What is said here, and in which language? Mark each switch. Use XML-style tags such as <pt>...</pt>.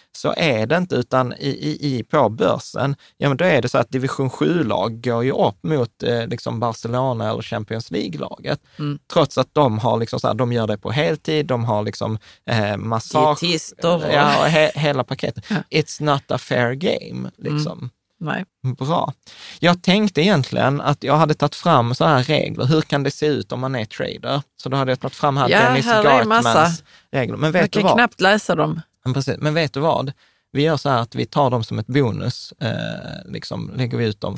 <sv>Så är det inte, utan i på börsen, ja, men då är det så att division 7-lag går ju upp mot liksom Barcelona eller Champions League-laget. Trots att de har liksom så här, de gör det på heltid, de har liksom massage, ja, hela paketet.</sv> <en>It's not a fair game,</en> <sv>liksom. Nej. Bra. Jag tänkte egentligen att jag hade tagit fram så här regler. Hur kan det se ut om man är trader? Så då hade jag tagit fram här, ja, Dennis Gartmans regler. Men vet du vad? Jag kan knappt läsa dem. Men precis. Men vet du vad? Vi gör så här att vi tar dem som ett bonus. Liksom lägger vi ut dem.</sv>